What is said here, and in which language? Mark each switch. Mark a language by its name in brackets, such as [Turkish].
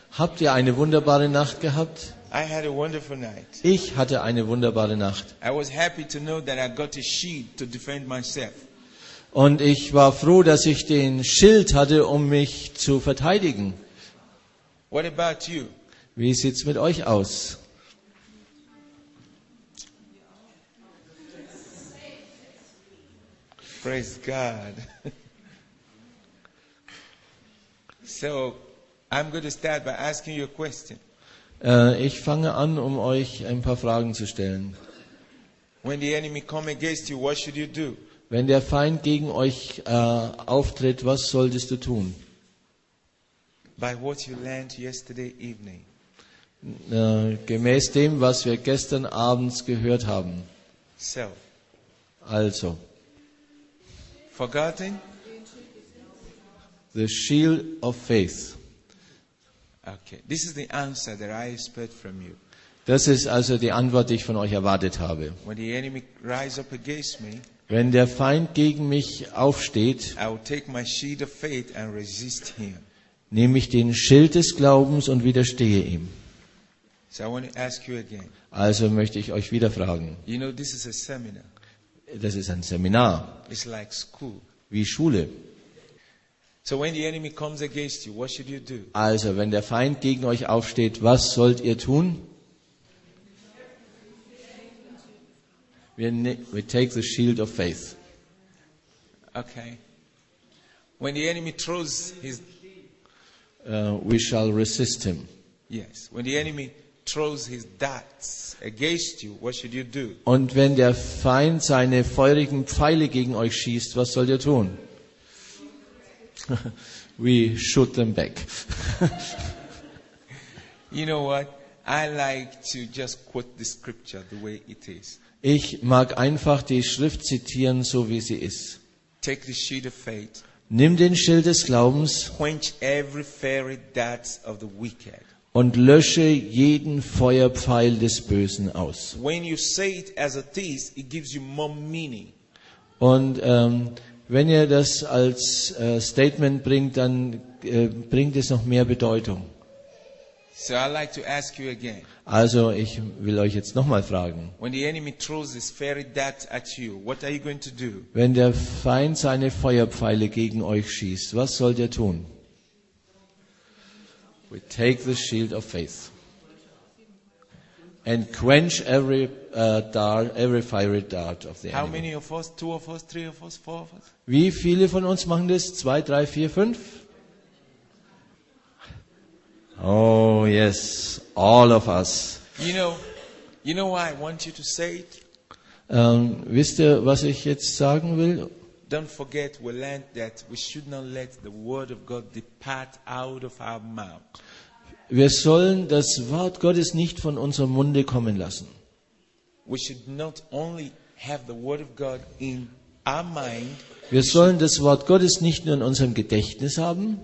[German] Habt ihr eine wunderbare Nacht gehabt? [English] I had a wonderful night. [German] Ich hatte eine wunderbare Nacht. [English] I was happy to know that I got a shield to defend myself. [German] Und ich war froh, dass ich den Schild hatte, um mich zu verteidigen. [English] What about you? [German] Wie sieht's mit euch aus? [English] Praise God. So, I'm going to start by asking you a question. [German] Ich fange an, um euch ein paar Fragen zu stellen. [English] When the enemy come against you, what should you do? [German] Wenn der Feind gegen euch auftritt, was solltest du tun? [English] By what you learned yesterday evening. [German] Gemäß dem, was wir gestern abends gehört haben. [English] So. [German] Also. [English] Forgotten? The shield of faith. Okay. This is the answer that I expect from you. [German] Das ist also die Antwort, die ich von euch erwartet habe. [English] When the enemy rise up against me, [German] wenn der Feind gegen mich aufsteht, [English] I will take my shield of faith and resist him. [German] Nehme ich den Schild des Glaubens und widerstehe ihm. [English] So I want to ask you again. [German] Also möchte ich euch wieder fragen. [English] You know, this is a seminar. [German] Das ist ein Seminar. [English] It's like school. [German] Wie Schule. [English] So when the enemy comes against you, what should you do? [German] Also, wenn der Feind gegen euch aufsteht, was sollt ihr tun? [English] We take the shield of faith. Okay. When the enemy throws his We shall resist him. Yes. When the enemy throws his darts against you, what should you do? [German] Und wenn der Feind seine feurigen Pfeile gegen euch schießt, was sollt ihr tun? [English] We shoot them back. You know what? I like to just quote the scripture the way it is. [German] Ich mag einfach die Schrift zitieren, so wie sie ist. [English] Take the shield of faith. [German] Nimm den Schild des Glaubens. [English] Quench every fiery dart of the wicked. [German] Und lösche jeden Feuerpfeil des Bösen aus. [English] When you say it as it is, it gives you more meaning. [German] Und wenn ihr das als Statement bringt, dann bringt es noch mehr Bedeutung. [English] So I'd like to ask you again. [German] Also, ich will euch jetzt nochmal fragen. [English] When the enemy throws his fiery dart at you, what are you going to do? [German] Wenn der Feind seine Feuerpfeile gegen euch schießt, was sollt ihr tun? [English] We take the shield of faith and quench every fiery dart of the enemy. How many of us? Two of us? Three of us? Four of us? [German] Wie viele von uns machen das? Zwei, drei, vier, fünf? [English] Oh yes, all of us. You know why I want you to say it? Wisst ihr, was ich jetzt sagen will? Don't forget we learned that we should not let the word of God depart out of our mouth. [German] Wir sollen das Wort Gottes nicht von unserem Munde kommen lassen. [English] We should not only have the word of God in our mind. [German] Wir sollen das Wort Gottes nicht nur in unserem Gedächtnis haben.